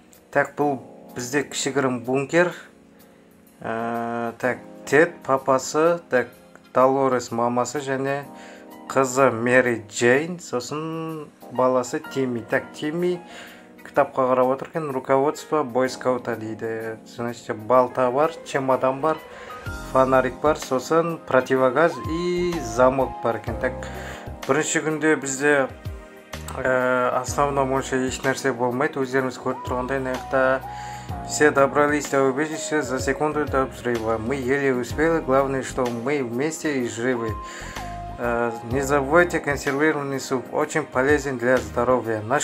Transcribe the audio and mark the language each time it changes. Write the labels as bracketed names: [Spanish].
[Kazakh] Так, бұл бізде кішігірім бункер. Так, Тед папасы, так, Долорес мамасы және қызы Мэри Джейн, сосын баласы Тимми. Так, Тимми кітапқа қарап отыр екен, [Russian] руководство бойскаута [Kazakh] дейді. Значит, балта бар, чемодан бар, фонарик бар, сосын противогаз и замок бар екен. Так, бірінші күнде бізде основном онша ешнәрсе болмайды, өздеріміз көріп тұрғандай нақта. [Russian] Все добрались до убежища за секунду до взрыва. Мы еле успели, главное, что мы вместе и живы. Не забывайте, консервированный суп очень полезен для здоровья.